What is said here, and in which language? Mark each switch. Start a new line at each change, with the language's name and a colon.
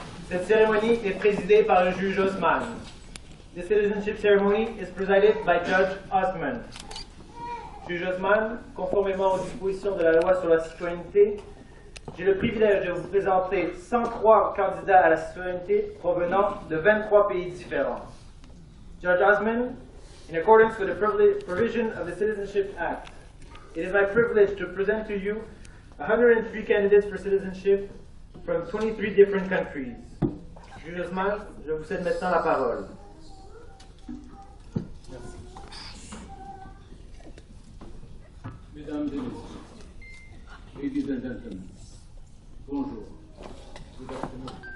French: Cette cérémonie est présidée par le juge Osman.
English: The citizenship ceremony is presided by Judge Osman.
French: Juge Osman, conformément aux dispositions de la loi sur la citoyenneté, j'ai le privilège de vous présenter 103 candidats à la citoyenneté provenant de 23 pays différents.
English: Judge Osman, in accordance with the provision of the Citizenship Act, it is my privilege to present to you 103 candidates for citizenship from 23 different countries.
French: Juge Osman, je vous cède maintenant la parole. Merci. Mesdames et messieurs,
English: ladies and gentlemen,
French: bonjour.
English: Good afternoon.